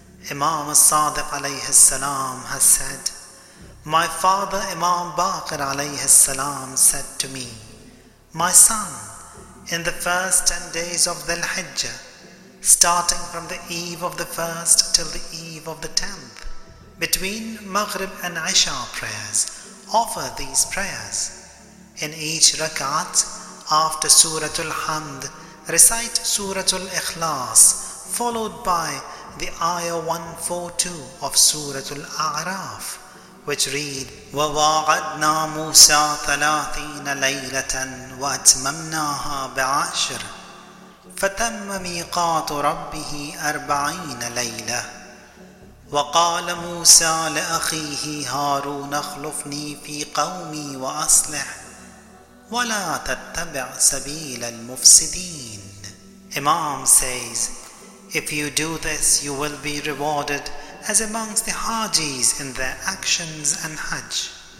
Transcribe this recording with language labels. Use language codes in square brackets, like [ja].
[en] Imam As-Sadiq alayhi salam has said, "My father Imam Baqir alayhi salam said to me, 'My son, in the first 10 days of Dhul-Hijjah, starting from the eve of the first till the eve of the 10th, between Maghrib and Isha prayers, offer these prayers. In each rak'at, after Suratul Hamd, recite Suratul Ikhlas, followed by the Ayah 142 of Suratul A'raf, which read, [ar] وَوَاعَدْنَا مُوسَى 30 لَيْلَةً وَأَتْمَمْنَاهَا بِعَشْرٍ فَتَمَّ مِيقَاتُ رَبِّهِ 40 لَيْلَةً وَقَالَ مُوسَى لِأَخِيهِ هَارُونَ اخْلُفْنِي فِي قَوْمِي وَأَصْلِحْ وَلَا تَتَّبِعْ سَبِيلَ الْمُفْسِدِينَ. [en] Imam says, "If you do this, you will be rewarded as amongst the Hajis in their actions and Hajj."